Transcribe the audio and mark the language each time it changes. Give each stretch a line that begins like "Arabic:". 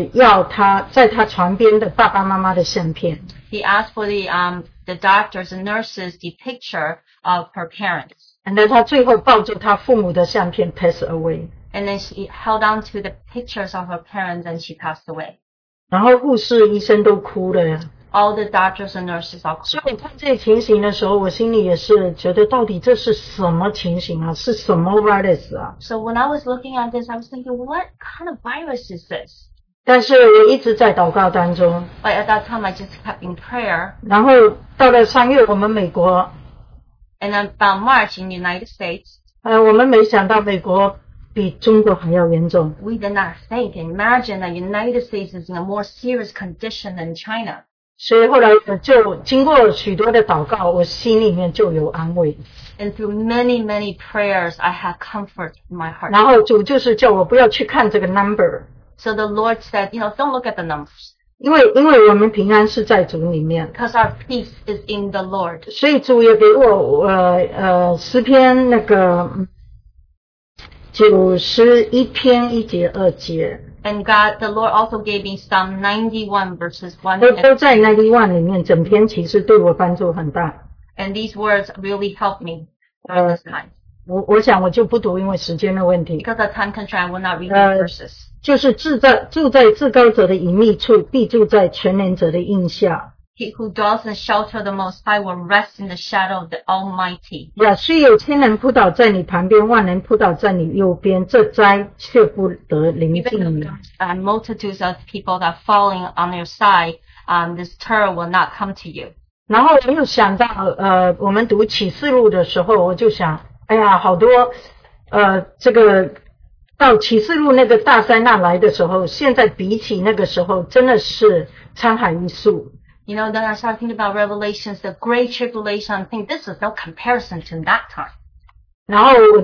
Chinese: 她跟医生护士要她在她床边的爸爸妈妈的相片。
English: He asked for the doctors and nurses the picture of her parents. And then
Chinese: 她最后抱着她父母的相片
English: passed away. And then she held on to the pictures of her parents and she passed away.
Chinese: 然后护士医生都哭了。
English: All the doctors and nurses are crying.
Chinese: 所以我看这情形的时候, 我心里也是觉得到底这是什么情形啊? 是什么virus啊?
English: So when I was looking at this, I was thinking, what kind of virus is this?
Chinese: 但是我一直在祷告当中,
English: but at that time, I just kept in prayer.
Chinese: 然后到了3月我们美国,
English: and about March in the United States,
Chinese: 我们没想到美国比中国还要严重。
English: We did not think. Imagine that United States is in a more serious condition than China.
Chinese: 所以后来就经过许多的祷告, 我心里面就有安慰。
English: And through many, many prayers, I have comfort in my heart.
Chinese: 然后主就是叫我不要去看这个number。
English: So the Lord said, you know, don't look at the numbers.
Chinese: 因为我们平安是在主里面。
English: Because our peace is in the Lord.
Chinese: 所以主也给我诗篇那个91篇1节2节。
English: And God, the Lord also gave me Psalm 91 verses 1 and 2.
Chinese: 都在 91里面, 整篇其实对我帮助很大。
English: And these words really helped me at this time.
Chinese: 我想我就不读, 因为时间的问题。
English: Because of time constraint, I will not read the verses.
Chinese: 就是住在至高者的隐秘处, 必住在全能者的荫下。
English: He who dwells in the shelter of the Most High will rest in the shadow of the Almighty.
Chinese: 虽有千人扑倒在你旁边, 万人扑倒在你右边, 这灾却不得临近你。
English: Even the multitudes of people that are falling on your side, this terror will not come to you.
Chinese: 然后我又想到, 我们读启示录的时候, 我就想, 哎呀,好多, 这个, 到启示录那个大灾难来的时候, 现在比起那个时候真的是沧海一粟。
English: You know, then I started thinking about Revelations, the Great Tribulation, I think this is no comparison to that time.